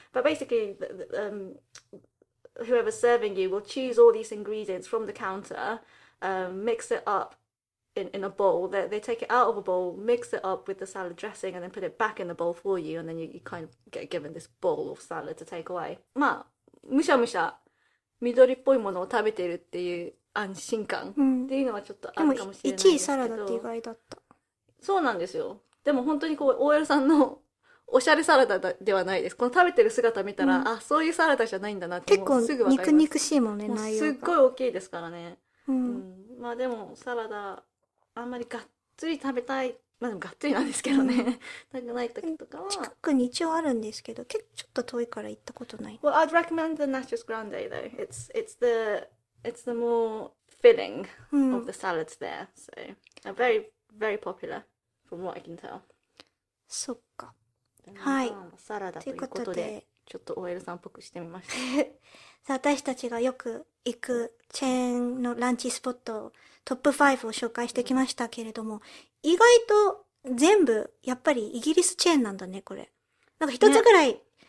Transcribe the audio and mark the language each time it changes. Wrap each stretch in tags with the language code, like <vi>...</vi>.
<en>But basically, whoever's serving you will choose all these ingredients from the counter, mix it up in a bowl. They take it out of a bowl, mix it up with the salad dressing, and then put it back in the bowl for you, and then you kind of get given this bowl of salad to take away.</en> <ja>まあ、むしゃむしゃ緑っぽいものを食べているっていう安心感っていうのはちょっとあるかもしれないですけど、でも1位サラダって意外だった。そうなんですよ。でも本当にこう OL さんのおしゃれサラダではないです。この食べてる姿見たら、あ、そういうサラダじゃないんだなってもうすぐ分かります。肉肉しいもんね、内容が。すっごい大きいですからね。うん。まあでもサラダあんまりがっつり食べたい、まあでもがっつりなんですけどね。食べない時とかは。近くに一応あるんですけど、結構ちょっと遠いから行ったことない。</ja> <en>Well, I'd recommend the Nachos Grande though. It's the more filling of the salads there. So, a very, very popular from what I can tell.</en> <ja>そっか。はい。サラダということで、ちょっとOLさんっぽくしてみました。私たちがよく行くチェーンのランチスポット、トップ5を紹介してきましたけれども、意外と全部やっぱりイギリスチェーンなんだね、これ。なんか一つぐらい、ね。</ja>